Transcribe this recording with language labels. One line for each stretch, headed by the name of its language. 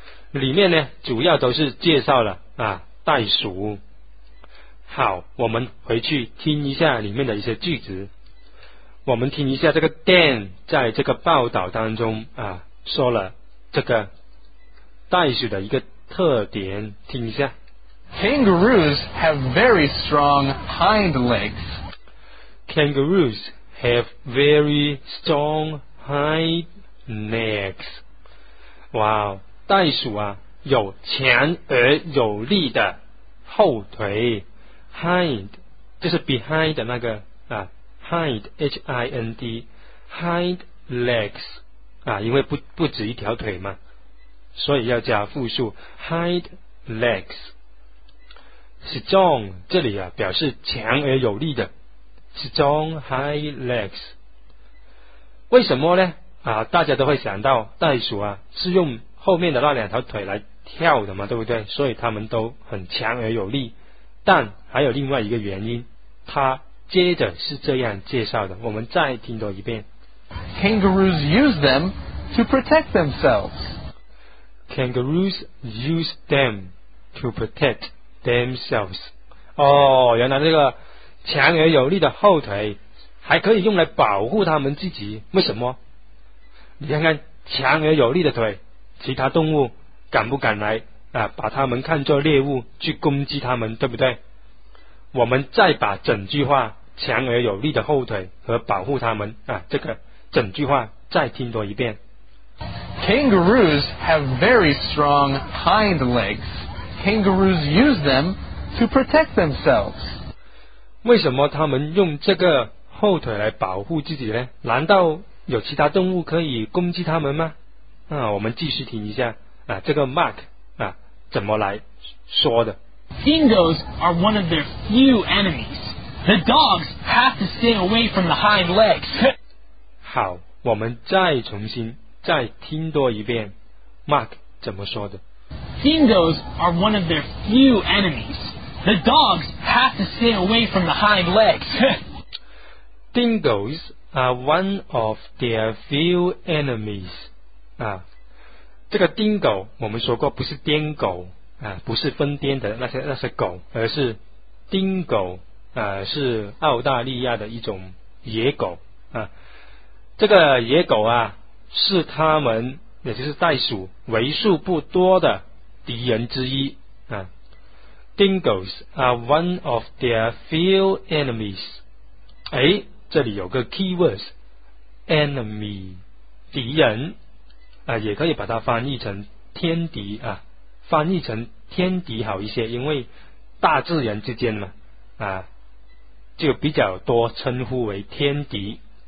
Chinese: 里面呢主要都是介绍了袋鼠。好，我们回去听一下里面的一些句子。我们听一下这个 Dan 在这个报道当中说了这个袋鼠的一个特点，听一下。
English: Kangaroos have very strong hind legs. Kangaroos have very strong hind legs.
Chinese: 哇，袋鼠有强而有力的后腿。 Hind 就是 behind 的那个hind H-I-N-D hind legs 因为不止一条腿嘛。所以要加复数 hind legs。strong 这里表示强而有力的 strong hind legs。为什么呢大家都会想到袋鼠是用后面的那两条腿来跳的嘛，对不对？所以它们都很强而有力。但还有另外一个原因，它接着是这样介绍的，我们再听多一遍。
English: Kangaroos use them to protect themselves Kangaroos use them to protect themselves.
Chinese: 原来这个强而有力的后腿还可以用来保护他们自己，为什么？你看看强而有力的腿，其他动物敢不敢来把他们看作猎物去攻击他们，对不对？我们再把整句话强而有力的后腿和保护他们这个整句话再听多一遍。
English: Kangaroos have very strong hind legs. kangaroos use them to protect themselves?
Chinese: 为什么他们用这个后腿来保护自己呢？难道有其他动物可以攻击他们吗？啊，我们继续听一下啊，这个 Mark 啊怎么来说的。
English: Dingoes are one of their few enemies. The dogs have to stay away from the hind legs.
Chinese: 好，我们再重新再听多一遍 ，Mark 怎么说的
English: ？Dingoes are one of their few enemies. The dogs have to stay away from the hind legs. Dingoes are one of their few enemies.
Chinese: 啊，这个 dingo 我们说过不是癫狗。啊，不是疯癫的那些狗，而是丁狗，啊，是澳大利亚的一种野狗啊。这个野狗啊，是他们也就是袋鼠为数不多的敌人之一啊。
English: Dingoes are one of their few enemies。
Chinese: 哎，这里有个 keywords enemy 敌人啊，也可以把它翻译成天敌啊。翻译成天敌好一些，因为大自然之间嘛，啊，就比较多称呼为天敌。